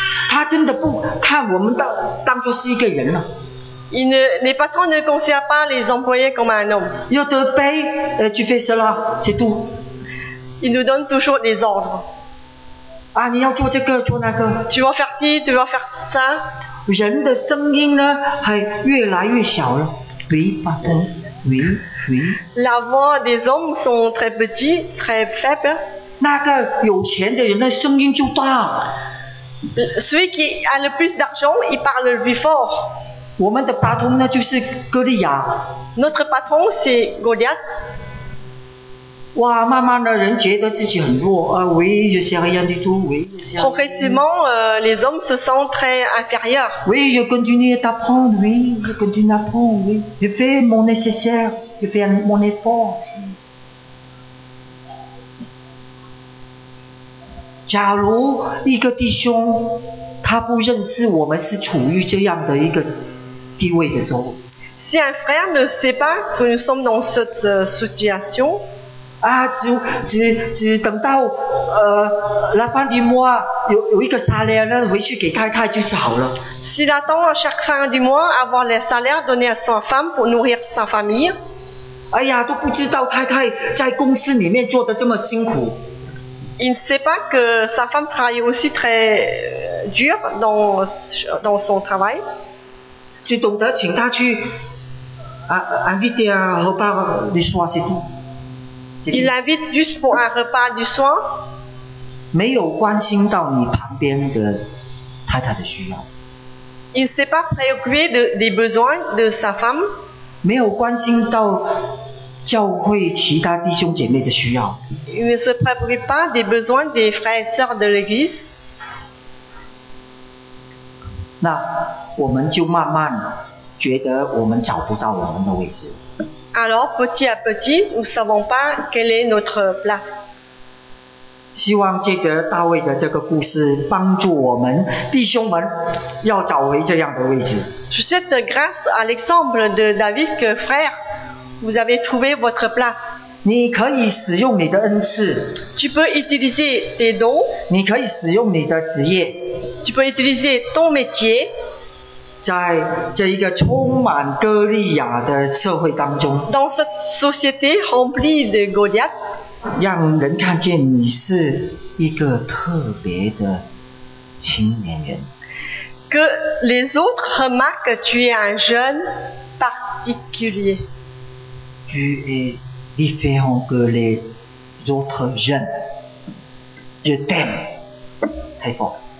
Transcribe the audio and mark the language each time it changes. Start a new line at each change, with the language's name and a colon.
Chinese: 他真的不看我们当作是一个人了。
French: Les patrons ne considèrent pas les employés comme un homme. Je te paye, tu fais cela, c'est tout. Ils nous donnent toujours des ordres.
Chinese: Ah, 你要做这个，做那个。
French: Tu vas faire ci, tu vas faire ça.
Chinese: 人的声音呢，还越来越小了。
French: Oui, pardon. Oui, oui. La voix des hommes sont très petits, très faibles.
Chinese: 那个有钱的人的声音就大。
French: Celui qui a le plus d'argent, il parle le plus fort.
Chinese: 我们的patron呢就是哥利亚。
French: Notre patron c'est Goliath.
Chinese: 哇，慢慢的人觉得自己很弱啊，
French: oui, je sais rien du tout, oui. Progressivement, les hommes se sentent très inférieurs. Oui, je continue d'apprendre, oui, je continue d'apprendre, oui. Je fais mon nécessaire, je fais mon effort.
Chinese: 假如一个弟兄他不认识我们是处于这样的一个地位的时候，
French: si un frère ne sait pas que nous sommes dans cette situation,
Chinese: 啊，只等到
French: la fin du mois
Chinese: 有一个 salaire 呢，回去给太太就是好了。
French: S'il attend à chaque fin du mois avoir le salaire donné à sa femme pour nourrir sa famille,
Chinese: 哎呀，都不知道太太在公司里面做的这么辛苦。
French: Il ne sait pas que sa femme travaille aussi très dur dans son travail.
Chinese: 只懂得请他去
French: inviter un repas du soir, c'est tout. Il l'invite juste pour un repas du soir.
Chinese: 没有关心到你旁边的太太的需要。
French: Il ne s'est pas préoccupé des besoins de sa femme.
Chinese: 没有关心到教会其他弟兄姐妹的需要。
French: Il ne se préoccupe pas des besoins des frères et sœurs de l'église.
Chinese: 那我们就慢慢觉得我们找不到我们的位置。
French: Alors, petit à petit, nous ne savons pas quelle est notre place.
Chinese: 希望借着大卫的这个故事，帮助我们弟兄们要找回这样的位置。
French: Je souhaite grâce à l'exemple de David que frère, vous avez trouvé votre place.
Chinese: 你可以使用你的恩赐。
French: Tu peux utiliser tes dons.
Chinese: 你可以使用你的职业。
French: Tu peux utiliser ton métier.
Chinese: 在这一个充满哥利亚的社会当中。
French: Dans cette société remplie de Goliath.
Chinese: 让人看见你是一个特别的青年人。
French: Que les autres remarquent que tu es un jeune particulier. Tu es. Différent que les autres jeunes. Je t'aime. Très fort.